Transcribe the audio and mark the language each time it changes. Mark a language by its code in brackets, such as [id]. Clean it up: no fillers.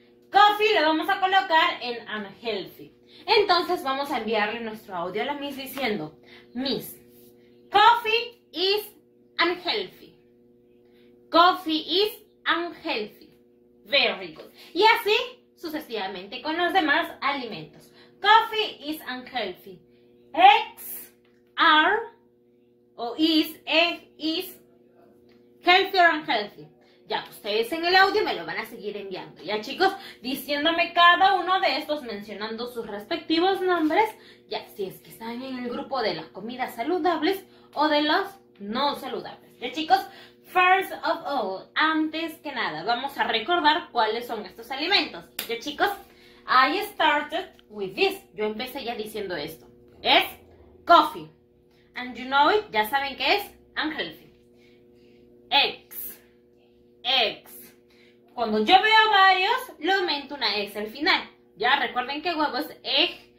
[es] Coffee lo vamos a colocar en unhealthy. Entonces vamos a enviarle nuestro audio a la Miss diciendo, Miss, [en] coffee is unhealthy, coffee is unhealthy, very good. [es] Y así sucesivamente con los demás alimentos. [en] Coffee is unhealthy. Eggs are o is, egg is healthy or unhealthy. [es] Ya, ustedes en el audio me lo van a seguir enviando. Ya, chicos, diciéndome cada uno de estos, mencionando sus respectivos nombres. Ya, si es que están en el grupo de las comidas saludables o de los no saludables. Ya, chicos, [en] first of all, [es] antes que nada, vamos a recordar cuáles son estos alimentos. Ya, chicos, [en] I started with this. [es] Yo empecé ya diciendo esto. [en] Es coffee. And you know it. [es] Ya saben qué es. [en] Unhealthy. Eggs. Eggs. [es] Cuando yo veo varios, le aumento una S al final. Ya recuerden que huevo es egg.